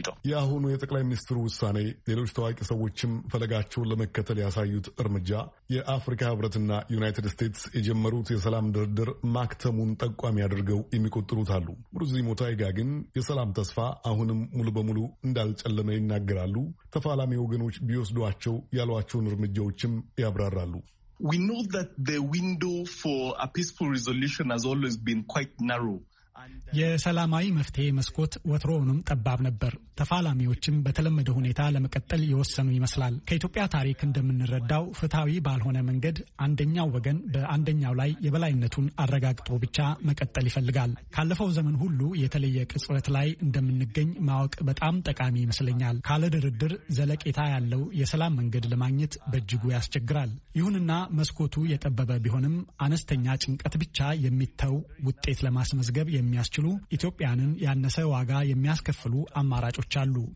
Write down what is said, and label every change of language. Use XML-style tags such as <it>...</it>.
<am>የአሁኑ የጠቅላይ ሚኒስትሩ ውሳኔ፣ ሌሎች ታዋቂ ሰዎችም ፈለጋቸውን ለመከተል ያሳዩት እርምጃ የአፍሪካ ህብረትና ዩናይትድ ስቴትስ የጀመሩት የሰላም ድርድር ማክተሙን ጠቋሚ አድርገው የሚቆጥሩት አሉ። ሙርዚ ሙታይጋ ግን የሰላም ተስፋ አሁንም ሙሉ በሙሉ እንዳልጨለመ ይናገራሉ። ተፋላሚ ወገኖች ቢወስዷቸው ያሏቸውን እርምጃዎችም ያብራራሉ።</am> <en>We know that the window for a peaceful resolution has always been quite narrow.</en> <am>የሰላማዊ መፍትሄ መስኮት ወትሮውንም ጠባብ ነበር። ተፋላሚዎችም በተለመደ ሁኔታ ለመቀጠል ይወሰኑ ይመስላል። ከኢትዮጵያ ታሪክ እንደምንረዳው ፍትሃዊ ባልሆነ መንገድ አንደኛው ወገን በአንደኛው ላይ የበላይነቱን አረጋግጦ ብቻ መቀጠል ይፈልጋል። ካለፈው ዘመን ሁሉ የተለየ ቅጽበት ላይ እንደምንገኝ ማወቅ በጣም ጠቃሚ ይመስለኛል። ካለ ድርድር ዘለቄታ ያለው የሰላም መንገድ ለማግኘት በእጅጉ ያስቸግራል። ይሁንና መስኮቱ የጠበበ ቢሆንም አነስተኛ ጭንቀት ብቻ የሚተው ውጤት ለማስመዝገብ የሚያስችሉ ኢትዮጵያንን ያነሰ ዋጋ የሚያስከፍሉ አማራጮች አሉ።</am>